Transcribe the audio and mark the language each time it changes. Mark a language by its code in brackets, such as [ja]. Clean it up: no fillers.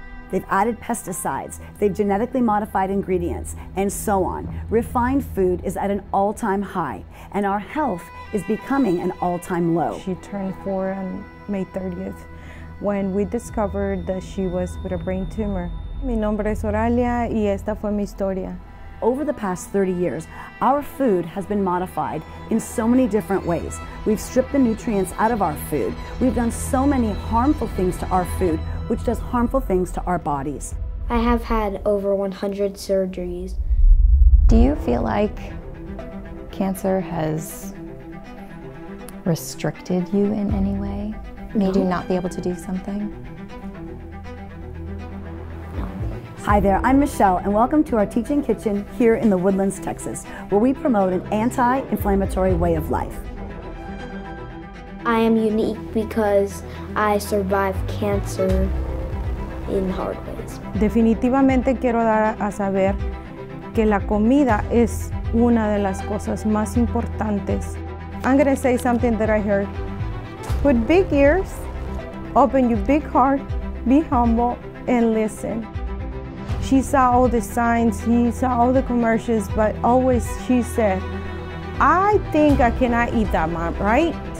[en] They've added pesticides, they've genetically modified ingredients, and so on. Refined food is at an all-time high, and our health is becoming an all-time low. She turned 4 on May 30th when we discovered that she was with a brain tumor. [es] Mi nombre es Oralia y esta fue mi historia. [en] Over the past 30 years, our food has been modified in so many different ways. We've stripped the nutrients out of our food. We've done so many harmful things to our food, which does harmful things to our bodies. I have had over 100 surgeries. Do you feel like cancer has restricted you in any way? Made you not be able to do something? Hi there, I'm Michelle, and welcome to our teaching kitchen here in the Woodlands, Texas, where we promote an anti-inflammatory way of life. I am unique because I survived cancer in hard ways. [es] Definitivamente quiero dar a saber que la comida es una de las cosas más importantes. [en] I'm going to say something that I heard. Put big ears, open your big heart, be humble, and listen. She saw all the signs, he saw all the commercials, but always she said, I think I cannot eat that much, right?